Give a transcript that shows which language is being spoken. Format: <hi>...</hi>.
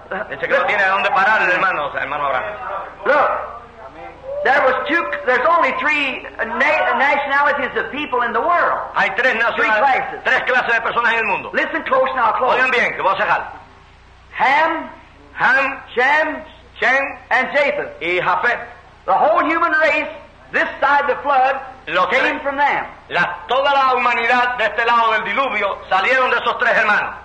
<es>Dice que no tiene dónde parar el hermano, o sea, hermano Abraham.</es> <en>Look, there was two. There's only three nationalities of people in the world.</en> <es>Hay tres nacionalidades. Tres clases de personas en el mundo.</es> <en>Listen close now, close.</en> <es>Oigan bien, que voy a cerrar.</es> <en>Ham, Shem, and Japheth.</en> <es>Y Japheth.</es> <en>The whole human race, this side the flood, came from them.</en> <es>Toda la humanidad de este lado del diluvio salieron de esos tres hermanos.</es>